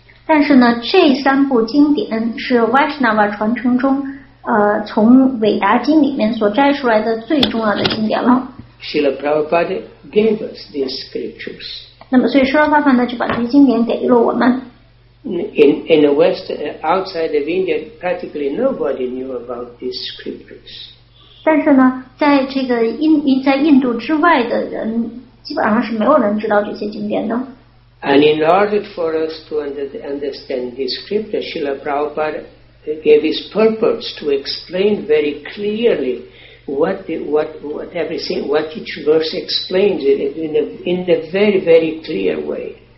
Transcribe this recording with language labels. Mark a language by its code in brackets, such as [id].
[zh] 但是呢，这三部经典是 Vaishnava 传承中从伟达经里面所摘出来的最重要的经典了。 [en] Srila Prabhupada gave us these scriptures. [zh] 那么所以Srila Prabhupada就把这些经典给了我们。 [en] In the West, outside of India, practically nobody knew about these scriptures. [zh] 但是呢，在这个印度之外的人，基本上是没有人知道这些经典的。 [en] And in order for us to understand these scriptures, Srila Prabhupada gave his purpose to explain very clearly what each verse explains in a very, very clear way.